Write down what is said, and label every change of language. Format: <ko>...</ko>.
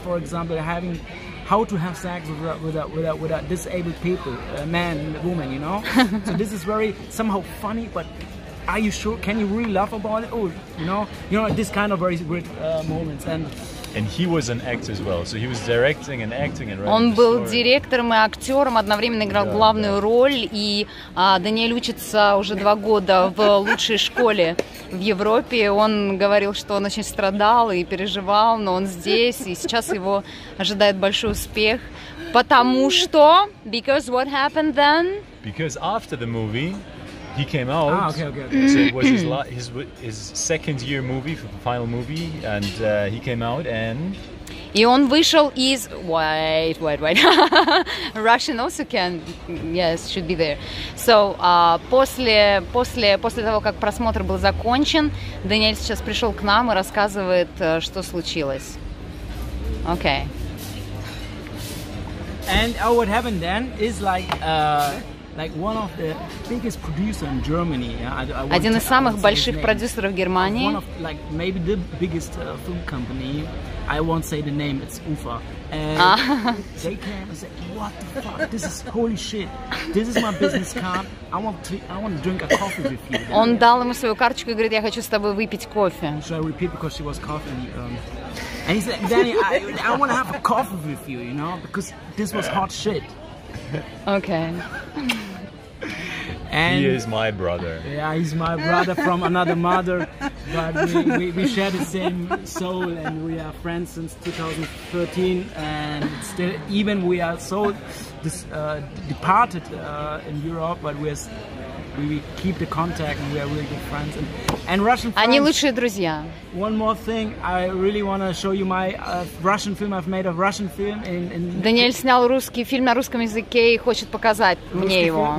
<en>For example, having how to have sex with a disabled people, man, woman, you know. So this is very somehow funny, but are you sure, can you really laugh about it? Oh, you know this kind of very weird moments. And he was an actor as well, so he was directing and acting and writing.</en> <ru>Он был директором и актером, одновременно играл главную роль, и Даниэль учится уже 2 года в лучшей школе в Европе. Он говорил, что он очень страдал и переживал, но он здесь, и сейчас его ожидает большой успех. Потому что...</ru> <en>Because what happened then? Because after the movie... He came out. Ah, okay. So it was his second year movie, for the final movie, and he came out and.</en> <ru>И он вышел из.</ru> <en>Wait. Russian also can, yes, should be there.</en> <ru>So после того, как просмотр был закончен, Даниэль сейчас пришел к нам и рассказывает, что случилось.</ru> <en>Okay. And what happened then is like. Like one of the biggest producers in Germany.</en> <ru>Один из самых больших продюсеров Германии.</ru> <en>One of like maybe the biggest film company. I won't say the name. It's Ufa. They came and said, "What the fuck? This is holy shit. This is my business card. I want to drink a coffee with you."</en> <ru>Он дал ему свою карточку и говорит, я хочу с тобой выпить кофе.</ru> <en>Should I repeat because she was coughing? And he said, "Danny, I want to have a coffee with you. You know, because this was hot shit." Okay. And he is my brother. Yeah, he's my brother from another mother, but we share the same soul, and we are friends since 2013. And still, even we are so departed in Europe, but we keep the contact, and we are really good friends. And Russian friends.</en> <ru>Они лучшие друзья.</ru> <en>One more thing, I really want to show you my Russian film. I've made a Russian film.</en> <ru>Даниэль снял русский фильм на русском языке и хочет показать мне его.</ru>